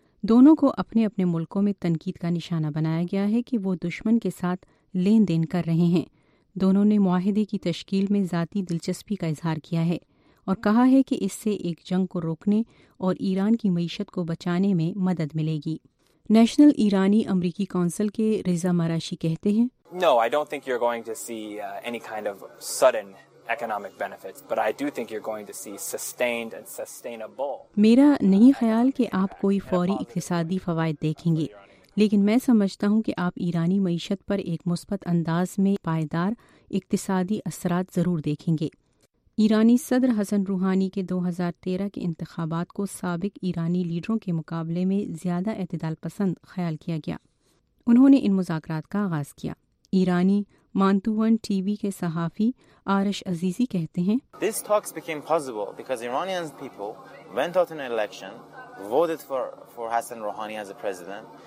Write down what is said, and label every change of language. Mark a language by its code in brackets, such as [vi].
[ur] دونوں کو اپنے اپنے ملکوں میں تنقید کا نشانہ بنایا گیا ہے کہ وہ دشمن کے ساتھ لین دین کر رہے ہیں۔ دونوں نے معاہدے کی تشکیل میں ذاتی دلچسپی کا اظہار کیا ہے اور کہا ہے کہ اس سے ایک جنگ کو روکنے اور ایران کی معیشت کو بچانے میں مدد ملے گی۔ نیشنل ایرانی امریکی کونسل کے رضا مراشی کہتے ہیں، [en] No, I don't think you're going to see any kind of sudden economic benefits, but I do think you're going to see sustained and sustainable. [ur] میرا نہیں خیال کہ آپ کوئی فوری اقتصادی فوائد دیکھیں گے، لیکن میں سمجھتا ہوں کہ آپ ایرانی معیشت پر ایک مثبت انداز میں پائیدار اقتصادی اثرات ضرور دیکھیں گے۔ ایرانی صدر حسن روحانی کے 2013 کے انتخابات کو سابق ایرانی لیڈروں کے مقابلے میں زیادہ اعتدال پسند خیال کیا گیا۔ انہوں نے ان مذاکرات کا آغاز کیا۔ ایرانی مانتوان ٹی وی کے صحافی آرش عزیزی کہتے ہیں، [en] This talks became possible because Iranian people went out in an election, voted for Hassan Rouhani as a president.